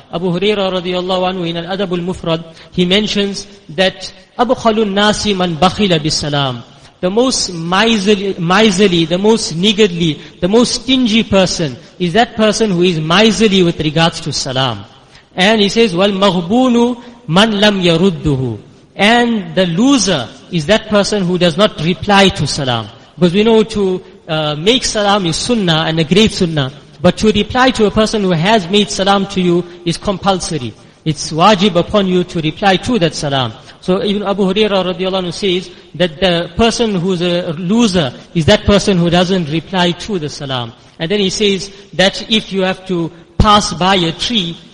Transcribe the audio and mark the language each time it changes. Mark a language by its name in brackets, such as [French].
[English] Abu Huraira radiallahu anhu in Al-Adab Al-Mufrad, he mentions that [Arabic] أَبْخَلُ النَّاسِ مَنْ بَخِلَ بِالسَّلَامِ. [English] The most miserly, the most niggardly, the most stingy person is that person who is miserly with regards to salam. And he says, [Arabic] وَالْمَغْبُونُ مَنْ لَمْ يَرُدُّهُ. [English] And the loser is that person who does not reply to salam. Because we know to make salam is sunnah and a great sunnah. But to reply to a person who has made salam to you is compulsory. It's wajib upon you to reply to that salam. So even Abu Huraira radiallahu anhu says that the person who's a loser is that person who doesn't reply to the salam. And then he says that if you have to pass by a tree